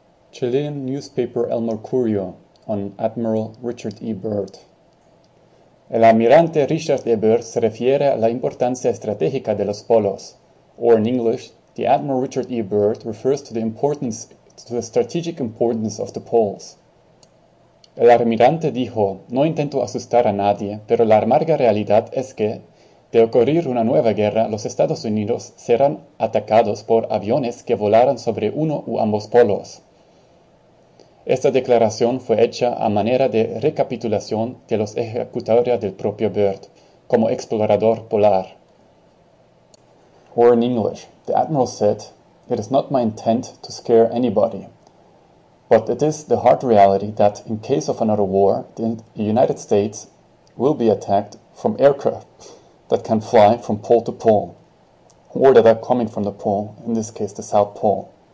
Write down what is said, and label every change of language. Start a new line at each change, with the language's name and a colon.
English: Chilean newspaper El Mercurio on Admiral Richard E. Byrd.
Spanish: El almirante Richard E. Byrd se refiere a la importancia estratégica de los polos,
English: or in English, the Admiral Richard E. Byrd refers to the importance, to the strategic importance of the poles.
Spanish: El almirante dijo, no intento asustar a nadie, pero la amarga realidad es que, de ocurrir una nueva guerra, los Estados Unidos serán atacados por aviones que volaran sobre uno u ambos polos. Esta declaración fue hecha a manera de recapitulación de los ejecutoria del propio Byrd como explorador polar.
English: Or in English, the Admiral said, it is not my intent to scare anybody, but it is the hard reality that in case of another war, the United States will be attacked from aircraft that can fly from pole to pole, or that are coming from the pole, in this case the South Pole.